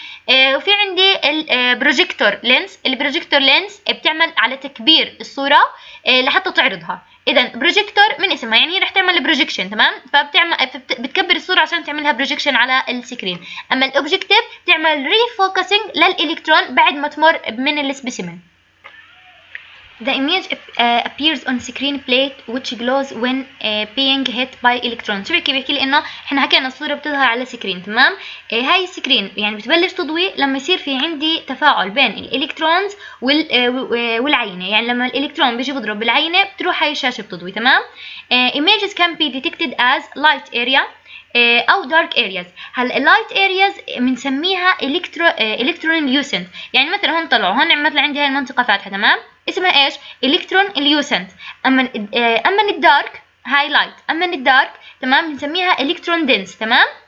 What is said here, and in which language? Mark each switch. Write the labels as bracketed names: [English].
[Arabic] وفي عندي البروجيكتور لينز. البروجيكتور لينز بتعمل على تكبير الصوره لحتى تعرضها. اذا بروجيكتور من اسمها يعني رح تعمل بروجيكشن، تمام، بتكبر الصوره عشان تعملها بروجيكشن على السكرين. اما الاوبجكتيف تعمل ريفوكسنج للالكترون بعد ما تمر من السبيسيمين. [English] The image appears on screen plate which glows when being hit by electron. [Arabic] شو بيحكي؟ بيحكي لي انه احنا حكينا الصورة بتظهر على سكرين، تمام. هاي السكرين يعني بتبلش تضوي لما يصير في عندي تفاعل بين الالكترونز والعينة، يعني لما الالكترون بيجي بضرب بالعينة بتروح هاي الشاشة بتضوي، تمام. [English] Images can be detected as light area [Arabic] او [English] dark areas. [Arabic] هل light areas منسميها electron lucent، يعني مثلا هون طلعوا هون مثلا عندي هاي المنطقة فاتحة، تمام، اسمها ايش؟ الكترون اليوسنت. اما الدارك هايلايت، اما الدارك تمام بنسميها الكترون دنس، تمام.